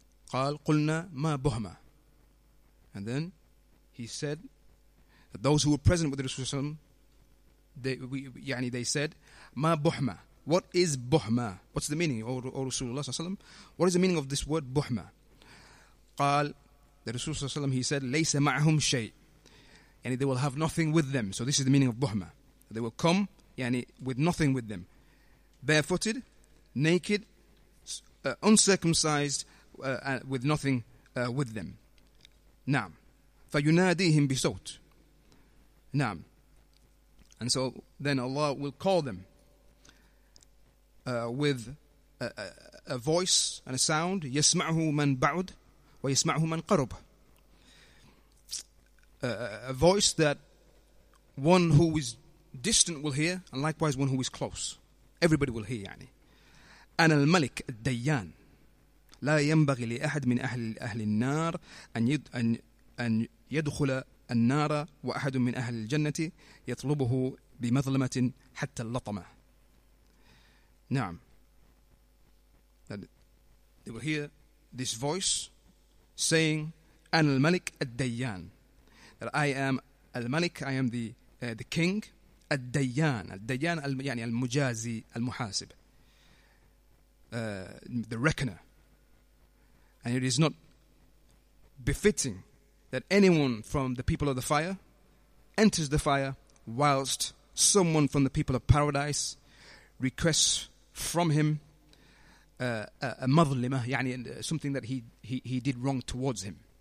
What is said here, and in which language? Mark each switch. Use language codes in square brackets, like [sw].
[ar] قال قلنا ما بهما. [en] And then he said that those who were present with the Rasulullah صلى الله عليه وسلم, they said [ar] ما بهما. [en] What is بهما? What's the meaning, O Rasulullah صلى الله عليه وسلم? What is the meaning of this word بهما? [ar] قال [en] the Rasulullah [ar] صلى الله عليه وسلم, [en] he said [ar] ليس معهم شيء. [en] يعني they will have nothing with them. So this is the meaning of بهما. They will come يعني with nothing with them, barefooted, naked, uncircumcised, with nothing with them. [ar] Naam. فَيُنَادِيهِمْ بِسَوْتِ. Naam. [en] And so then Allah will call them with a voice and a sound. [ar] يَسْمَعْهُ مَنْ بَعُدْ وَيَسْمَعْهُ مَنْ قَرُبْ. [en] A voice that one who is distant will hear, and likewise one who is close. Everybody will hear, يعني. [ar] أَنَا الْمَلِكْ الدَّيَّانِ لا ينبغي لأحد من أهل النار أن يدخل النار وأحد من أهل الجنة يطلبه بمظلمة حتى اللطمة. [en] نعم. They will hear this voice saying, [ar] أنا الملك الديان. [en] That I am الملك, I am the king. الديان. [ar] الديان يعني المجازي المحاسب. [en] The reckoner. And it is not befitting that anyone from the people of the fire enters the fire whilst someone from the people of paradise requests from him a madhlima, yani something that he did wrong towards him.